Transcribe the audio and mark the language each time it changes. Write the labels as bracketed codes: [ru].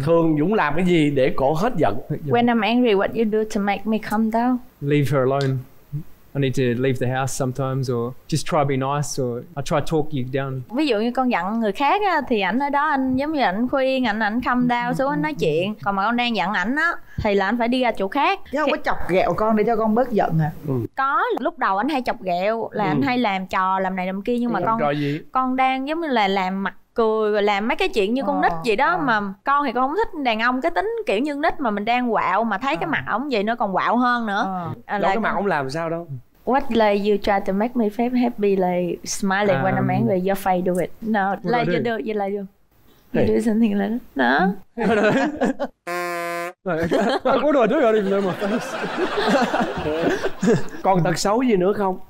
[vi] Thường Dũng làm cái gì để cổ hết giận? [en] When I'm angry, what you do to make me calm down? Leave her alone. I need to leave the house sometimes, or just try to be nice, or I try to talk you down. [vi] Ví dụ như con giận người khác á, thì ảnh ở đó anh giống như ảnh khuyên, ảnh [en] calm down [vi] xuống, ảnh nói chuyện. Còn mà con đang giận ảnh á, thì là anh phải đi ra chỗ khác. Chứ không có chọc ghẹo con để cho con bớt giận hả? Có, lúc đầu anh hay chọc ghẹo, là anh hay làm trò, làm này làm kia, nhưng mà con đang giống như là làm mặt cười và làm mấy cái chuyện như con nít vậy đó. Mà con thì con không thích đàn ông cái tính kiểu như nít, mà mình đang quạo mà thấy cái mặt ổng vậy nó còn quạo hơn nữa. Cái mặt ổng làm sao đâu. [en] What like you try to make me feel happy, like smiling when I'm angry, your face do it. No, like you do, it. You like you. You do something like that. No. [vi] Cô đùa trước rồi đi mà. Còn tật xấu gì nữa không?